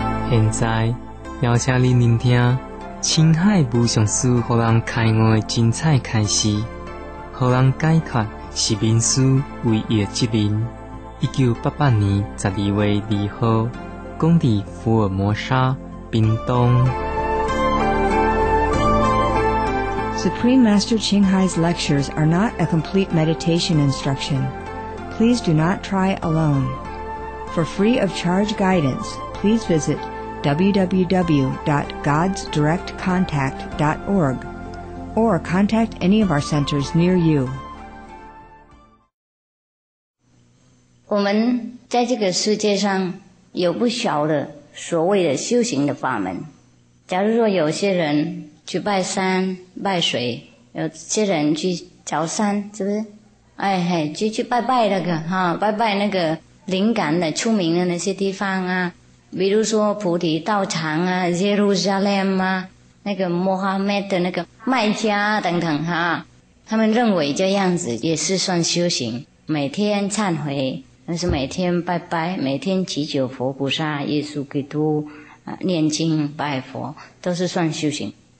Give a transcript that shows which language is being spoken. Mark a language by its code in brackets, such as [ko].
[zh] 现在邀请您聆听陈汉文上师予人开悟的精彩开始，予人解脱是民师唯一的责任。 1988年12月2日，讲伫福尔摩沙，屏东。 [en] Supreme Master Qinghai's lectures are not a complete meditation instruction. Please do not try alone. For free of charge guidance, please visit www.godsdirectcontact.org or contact any of our centers near you. [zh] 我们在这个世界上有不少的所谓的修行的法门，假如说有些人去拜山拜水，有些人去朝山，是不是？哎嘿，去拜拜那个哈，拜拜那个灵感的出名的那些地方啊，比如说菩提道场啊、耶路撒冷啊、那个穆罕默德那个麦加等等哈，他们认为这样子也是算修行，每天忏悔，但是每天拜拜，每天祈求佛菩萨、耶稣基督，念经拜佛，都是算修行。